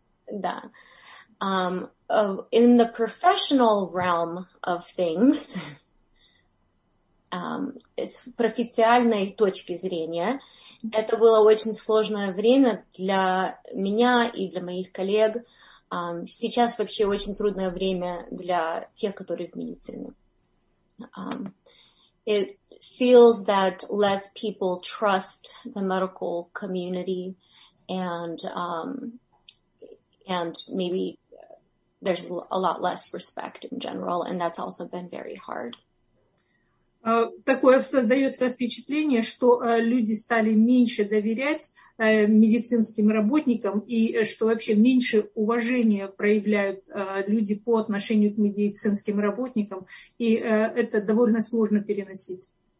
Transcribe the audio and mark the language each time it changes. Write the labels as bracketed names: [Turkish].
[Russian] Да. [English] In the professional realm of things, [Russian] с профессиональной точки зрения, это было очень сложное время для меня и для моих коллег. Сейчас вообще очень трудное время для тех, которые в медицине. [English] It feels that less people trust the medical community, and maybe there's a lot less respect in general, and that's also been very hard. [Russian] Такое создается впечатление, что люди стали меньше доверять медицинским работникам и что вообще меньше уважения проявляют люди по отношению к медицинским работникам, и это довольно сложно переносить.